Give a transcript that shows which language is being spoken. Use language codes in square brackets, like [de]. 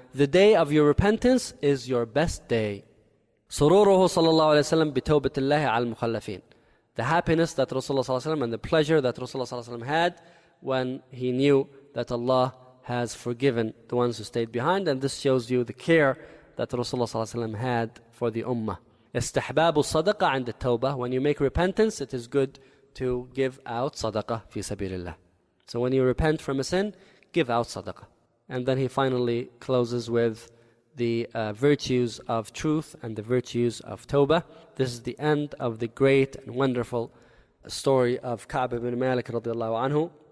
[en] The day of your repentance is your best day. [ar] سُرُورُهُ صَلَى اللَّهُ عَلَيْهِ وَسَلَّمْ بِتَوْبَةِ اللَّهِ عَلَى الْمُخَلَّفِينَ. [en] The happiness that Rasulullah صلى الله عليه وسلم and the pleasure that Rasulullah صلى الله عليه وسلم had when he knew that Allah has forgiven the ones who stayed behind. And this shows you the care that Rasulullah صلى الله عليه وسلم had for the ummah. [ar] استحباب الصدقة عند التوبة. [en] When you make repentance, it is good to give out sadaqah في سبيل الله. So when you repent from a sin, give out sadaqah. And then he finally closes with the virtues of truth and the virtues of tawbah. This is the end of the great and wonderful story of Ka'b ibn Malik radiallahu anhu.